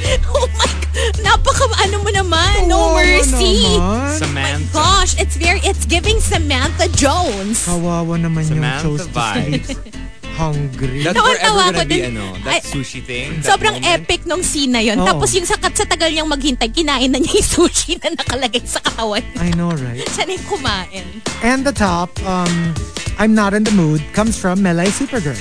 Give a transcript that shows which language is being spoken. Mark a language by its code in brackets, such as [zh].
[en] Oh my God. [tl] Napaka, ano mo naman. [en] No mercy. Samantha. My gosh, it's giving Samantha Jones. [tl] Kawawa naman Samantha yung [en] chose to sleep. Hungry. That's forever gonna be, that sushi thing. [tl] Sobrang [en] moment. [tl] Epic nung scene na yun. Oh. Tapos yung sa tagal niyang maghintay, kinain na niya yung sushi na nakalagay sa katawan. [en] I know, right? [tl] Siya na kumain. [en] And the top, I'm not in the mood, comes from Melay Supergirl.